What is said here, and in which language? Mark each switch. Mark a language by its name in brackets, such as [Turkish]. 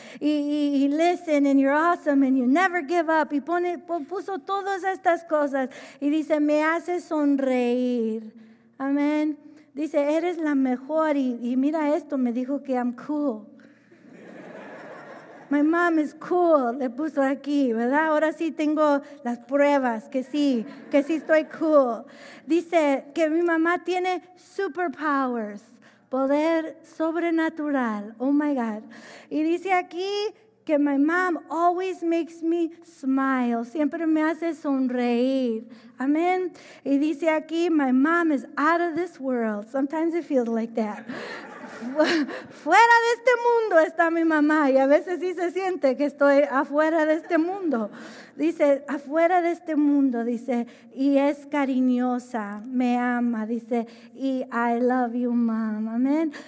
[English] Y listen, and you're awesome, and you never give up. [Spanish] Y puso todas estas cosas y dice, me hace sonreír, amén. Dice, eres la mejor y mira esto, me dijo que [English] I'm cool. My mom is cool, [Spanish] le puso aquí, ¿verdad? Ahora sí tengo las pruebas que sí estoy cool. Dice que mi mamá tiene superpowers, poder sobrenatural, [English] oh my God. [Spanish] Y dice aquí que [English] my mom always makes me smile, [Spanish] siempre me hace sonreír, amén. Y dice aquí, [English] my mom is out of this world, sometimes it feels like that. [Spanish] Fuera de este mundo está mi mamá y a veces sí se siente que estoy afuera de este mundo. Dice, afuera de este mundo, dice, y es cariñosa, me ama, dice, y [English] I love you, mom, [Spanish] amén.